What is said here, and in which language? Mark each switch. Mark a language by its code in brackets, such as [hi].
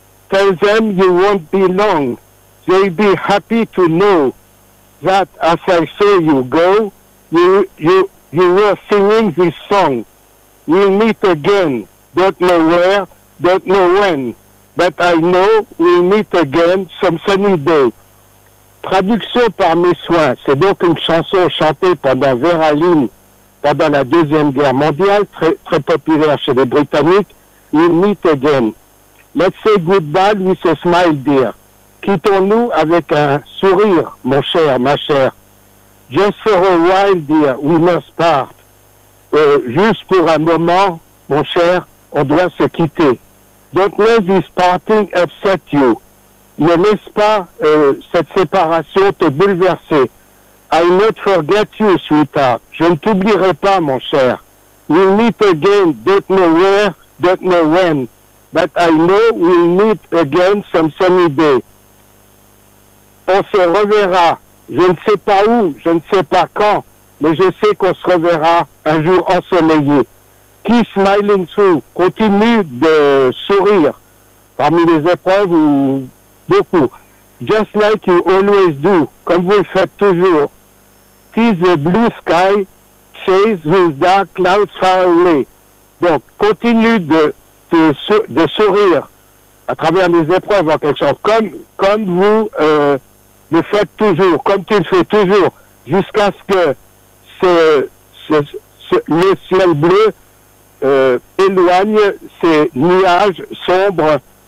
[en] Tell them you won't be long. They'll be happy to know that as I saw you go, you were singing this song. We'll meet again, don't know where, don't know when, but I know we'll meet again some sunny day. [fr] Traduction par mes soins, c'est donc une chanson chantée pendant Vera Lynn pendant la Deuxième Guerre mondiale, très, très populaire chez les Britanniques. [en] We'll meet again. Let's say goodbye with a smile, dear. [fr] Quittons-nous avec un sourire, mon cher, ma chère. [en] Just for a while, dear, we must part. [fr] Juste pour un moment, mon cher, on doit se quitter. [en] Don't let this parting upset you. [fr] Ne laisse pas cette séparation te bouleverser. [en] I'll not forget you, sweetheart. [fr] Je ne t'oublierai pas, mon cher. [en] We'll meet again, don't know where, don't know when. But I know we'll meet again some sunny day. [fr] On se reverra. Je ne sais pas où, je ne sais pas quand, mais je sais qu'on se reverra un jour ensoleillé. [en] Keep smiling through. [fr] Continue de sourire parmi les épreuves ou beaucoup. [en] Just like you always do, [fr] comme vous le faites toujours. [en] Tease the blue sky, chase with dark clouds far away. [fr] Donc, continue de sourire à travers les épreuves en quelque sorte, comme vous le faites toujours, comme tu le fais toujours, jusqu'à ce que le ciel bleu éloigne ces nuages sombres.